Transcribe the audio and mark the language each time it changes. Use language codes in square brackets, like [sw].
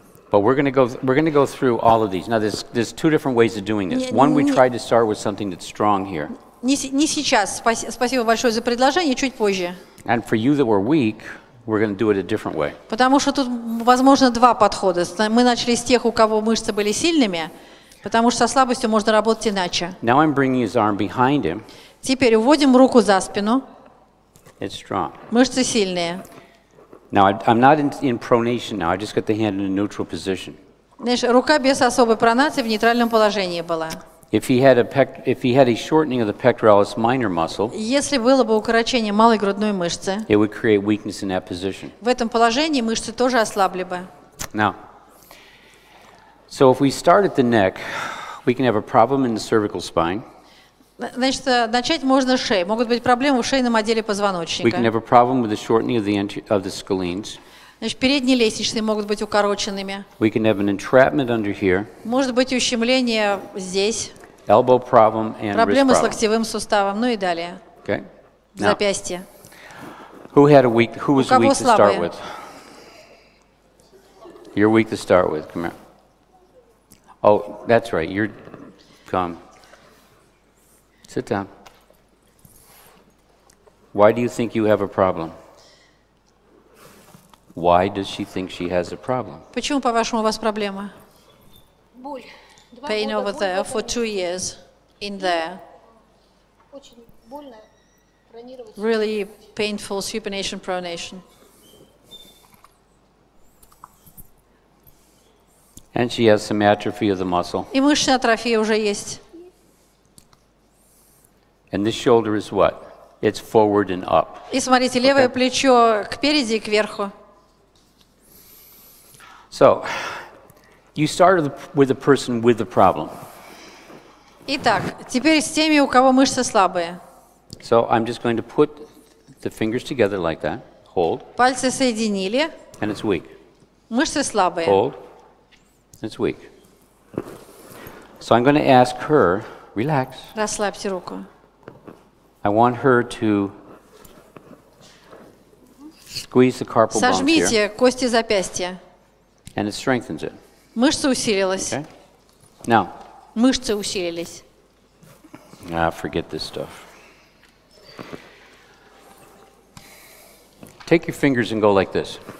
[en] But we're going to go through all of these. Now there's two different ways of doing this. One, we tried to start with something that's strong here. [ru] Не сейчас. Спасибо большое за предложение, чуть позже. [en] And for you that were weak, we're going to do it a different way. [ru] Потому что тут возможно два подхода. Мы начали с тех, у кого мышцы были сильными, потому что со слабостью можно работать иначе. [en] Now I'm bringing his arm behind him. [ru] Теперь уводим руку за спину. [en] It's strong. [ru] Мышцы сильные. [en] Now I'm not in pronation now. I just got the hand in a neutral position. [ru] Знаешь, рука без особой пронации в нейтральном положении была. [en] If he had a shortening of the pectoralis minor muscle, [ru] если было бы укорочение малой грудной мышцы, [en] it would create weakness in that position. [ru] В этом положении мышцы тоже ослабли бы. [en] Now, so if we start at the neck, we can have a problem in the cervical spine. [ru] Значит, начать можно с шеи. Могут быть проблемы в шейном отделе позвоночника. [en] We have a problem with the shortening of the scalenes. [ru] Значит, передние лестничные могут быть укороченными. [en] We can have an entrapment under here. [ru] Может быть ущемление здесь. [en] Elbow problem and wrist problem. [ru] Проблемы с локтевым суставом, ну и далее. [en] Okay. [ru] Now, запястье. [en] Who was weak to start with? You're weak to start with. Come here. Oh, that's right. You're come. Sit down. Why do you think you have a problem? Why does she think she has a problem? [ru] Почему, по-вашему, у вас проблема? Боль. [en] Pain over there for 2 years in there. [ru] Очень больно пронировать. [en] Really painful supination pronation. And she has some atrophy of the muscle. [ru] И мышечная атрофия уже есть. [en] And this shoulder is what? It's forward and up. [ru] И смотрите, левое плечо кпереди и кверху. [en] So, you start with a person with a problem. [ru] Итак, теперь с теми, у кого мышцы слабые. [en] So, I'm just going to put the fingers together like that. Hold. [ru] Пальцы соединили. [en] And it's weak. [ru] Мышцы слабые. [en] Hold. It's weak. So, I'm going to ask her, relax. [ru] Расслабьте руку. [en] I want her to squeeze the carpal bones here. [ru] Сожмите кости запястья. [en] And it strengthens it. [ru] Мышца усилилась. [en] Okay. Now. [ru] Мышцы усилились. [en] Ah, forget this stuff. Take your fingers and go like this.